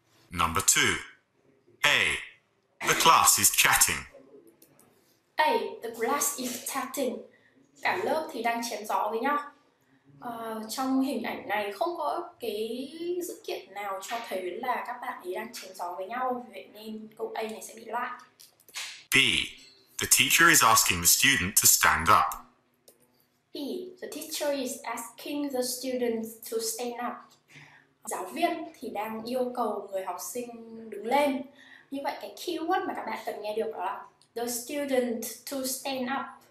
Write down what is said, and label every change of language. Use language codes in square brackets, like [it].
[en] Number 2. A. The class is chatting. A. The class is chatting. [vi] Cả lớp thì đang chém gió với nhau. Trong hình ảnh này không có cái dữ kiện nào cho thấy là các bạn ấy đang chém gió với nhau, vậy nên câu A này sẽ bị loại. [en] B. The teacher is asking the student to stand up. B. The teacher is asking the student to stand up. [vi] Giáo viên thì đang yêu cầu người học sinh đứng lên. Như vậy cái keyword mà các bạn cần nghe được đó là [en] the student to stand up.